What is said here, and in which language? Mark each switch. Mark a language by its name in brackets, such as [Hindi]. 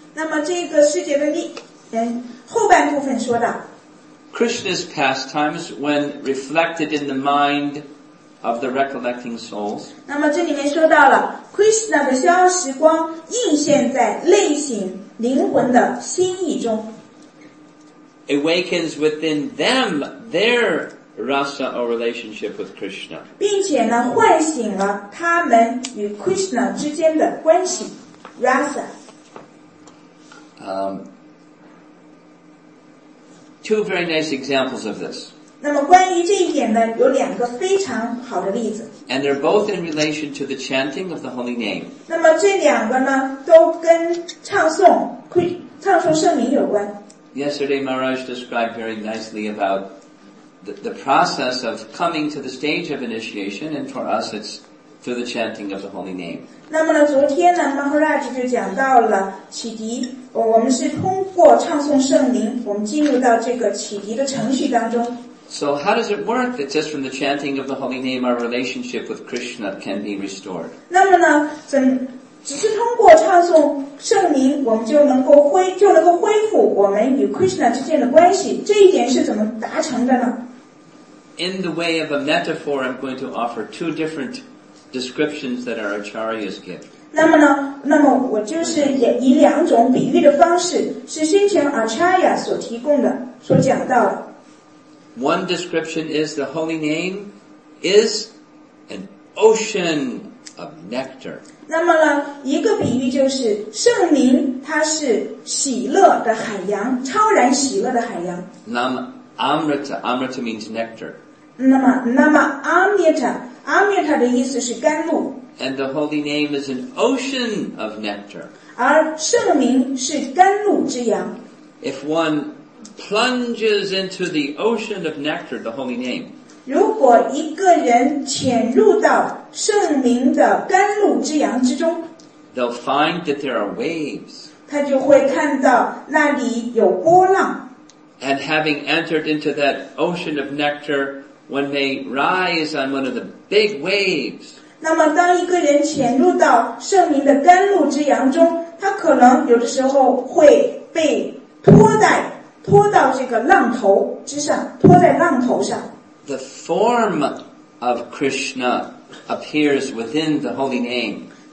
[Chinese] 那么这个世界的历，后半部分说到。 [English] Krishna's pastimes, when reflected in the mind of the recollecting souls. [Chinese] 那么这里面说到了 Krishna 的逍遥时光映现在内省灵魂的心意中。 [English] Awakens within them their rasa or relationship with Krishna. [Chinese] 并且呢，唤醒了他们与 Krishna 之间的关系 ，rasa. [English] Two very nice examples of this. [Chinese] 那么关于这一点呢，有两个非常好的例子。 [English] And they're both in relation to the chanting of the holy name. [Chinese] 那么这两个呢，都跟唱诵圣名有关。 [English] Yesterday, Maharaj described very nicely aboutThe process of coming to the stage of initiation, and for us, it's through the chanting of the holy name. [Chinese] 那么呢，昨天呢 ，Maharaj 就讲到了启迪。我们是通过唱诵圣名，我们进入到这个启迪的程序当中。 [English] So how does it work? That just from the chanting of the holy name, our relationship with Krishna can be restored. [Chinese] 那么呢，只是通过唱诵圣名，我们就能够恢复我们与 Krishna 之间的关系。这一点是怎么达成的呢？ [English] In the way of a metaphor, I'm going to offer two different descriptions that our acharyas give. [Chinese] 那么我就是以两种比喻的方式，是先前 acharya 所提供的，所讲到的。 [English] One description is the holy name is an ocean of nectar. [Chinese] 那么呢，一个比喻就是圣名，它是喜乐的海洋，超然喜乐的海洋。 [English] Nam Amrita, Amrita means nectar. [Chinese] 那么 Amrita, Amrita 的意思是甘露。 [English] And the holy name is an ocean of nectar. [Chinese] 而圣名是甘露之阳。 [English] If one plunges into the ocean of nectar, the holy name, [Chinese] 如果一个人潜入到圣名的甘露之阳之中, [English] they'll find that there are waves. [Chinese] 他就会看到那里有波浪。 [English] And having entered into that ocean of nectar, one may rise on one of the big waves. [Chinese] 那么当一个人潜入到圣名的甘露之阳中, 他可能有的时候会被拖在浪头之上。 [English] The form of Krishna appears within the holy name.